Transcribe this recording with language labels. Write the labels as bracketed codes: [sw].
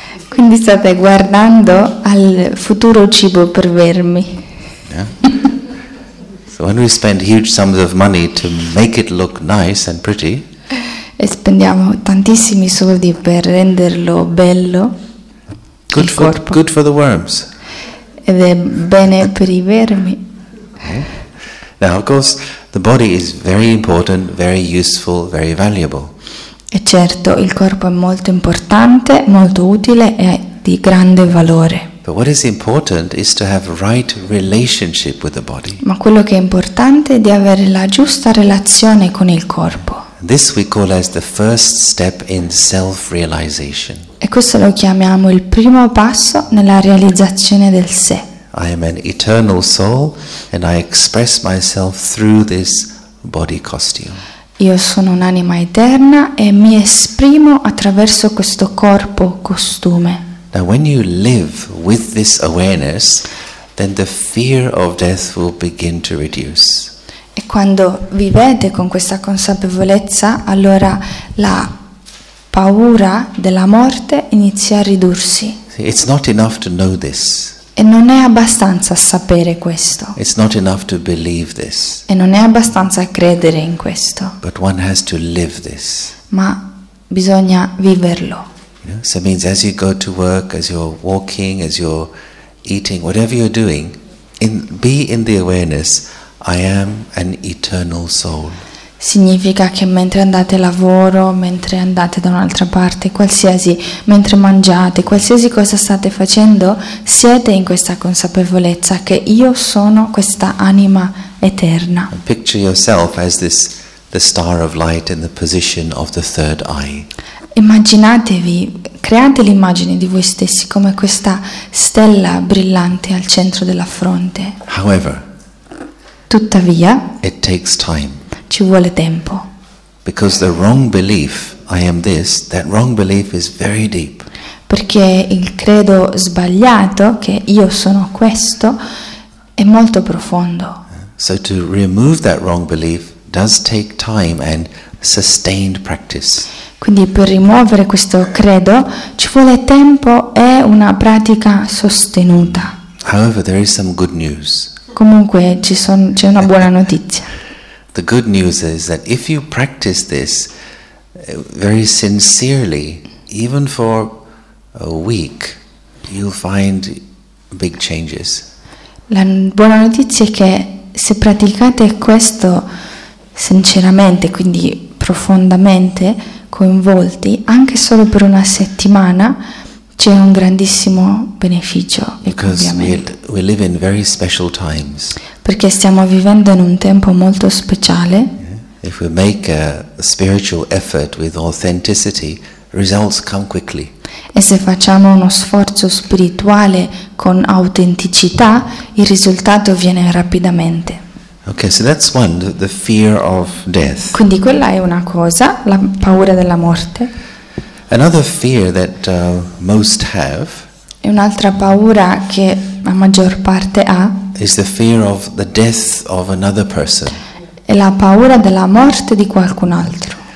[it] Quindi state guardando al futuro cibo per vermi. [en] Yeah. So when we spend huge sums of money to make it look nice and pretty, [it] e spendiamo tantissimi soldi per renderlo bello, [en] good [it] il [en] for [it] corpo. [en] Good for the worms. [it] Ed è bene per i vermi. [en] Yeah. Now, of course, the body is very important, very useful, very valuable. [it] E certo, il corpo è molto importante, molto utile e di grande valore. [en] But what is important is to have right relationship with the body. [it] Ma quello che è importante è di avere la giusta relazione con il corpo. [en] This we call as the first step in self-realization. [it] E questo lo chiamiamo il primo passo nella realizzazione del sé. [en] I am an eternal soul and I express myself through this body costume. [it] Io sono un'anima eterna e mi esprimo attraverso questo corpo costume. [en] Now when you live with this awareness, then the fear of death will begin to reduce. [it] E quando vivete con questa consapevolezza, allora la paura della morte inizia a ridursi. [en] See, it's not enough to know this. [it] E non è abbastanza sapere questo. [en] It's not enough to believe this. [it] E non è abbastanza credere in questo. [en] But one has to live this. [it] Ma bisogna viverlo. [en] You know, so it means as you go to work, as you're walking, as you're eating, whatever you're doing, be in the awareness, I am an eternal soul. [it] Significa che mentre andate al lavoro, mentre andate da un'altra parte, qualsiasi, mentre mangiate, qualsiasi cosa state facendo, siete in questa consapevolezza che io sono questa anima eterna. [en] Picture yourself as this, the star of light in the position of the third eye. [it] Immaginatevi, create l'immagine di voi stessi come questa stella brillante al centro della fronte. [en] However, [it] tuttavia, [en] it takes time. [it] Ci vuole tempo. [en] Because the wrong belief, I am this, that wrong belief is very deep. [it] Perché il credo sbagliato, che io sono questo, è molto profondo. [en] So to remove that wrong belief does take time and sustained practice. [it] Quindi per rimuovere questo credo ci vuole tempo e una pratica sostenuta. [en] However, there is some good news. [it] Comunque c'è una buona notizia. [en] The good news is that if you practice this, very sincerely, even for a week, you'll find big changes. [it] La buona notizia è che se praticate questo sinceramente, quindi profondamente coinvolti, anche solo per una settimana, c'è un grandissimo beneficio. [en] We live in very special times. [it] Perché stiamo vivendo in un tempo molto speciale. [en] Yeah. If we make a spiritual effort with authenticity, results come quickly. [it] E se facciamo uno sforzo spirituale con autenticità, il risultato viene rapidamente. [en] Okay, so that's one, the fear of death. [it] Quindi quella è una cosa, la paura della morte. [en] Another fear that most have. [it] E un'altra paura che la maggior parte ha. [en] Is the fear of the death of another person. [it] È la paura della morte di qualcun altro.